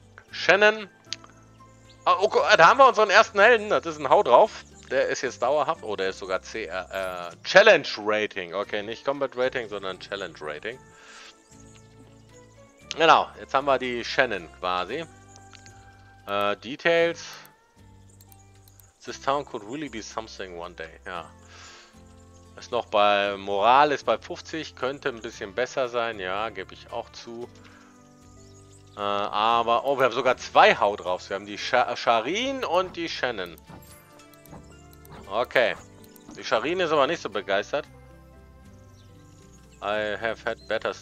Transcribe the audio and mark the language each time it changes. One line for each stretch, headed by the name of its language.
German: Shannon. Oh, okay, da haben wir unseren ersten Helden. Das ist ein Hau drauf. Der ist jetzt dauerhaft. Oh, der ist sogar Challenge Rating. Okay, nicht Combat Rating, sondern Challenge Rating. Genau, jetzt haben wir die Shannon quasi. Details.
English: This town could really be something one day.
German: Ja. Ist noch bei Moral, ist bei 50. Könnte ein bisschen besser sein. Ja, gebe ich auch zu. Aber, oh, wir haben sogar zwei Hau drauf. Wir haben die Sharin und die Shannon. Okay. Die Sharine ist aber nicht so begeistert.
English: I have had better...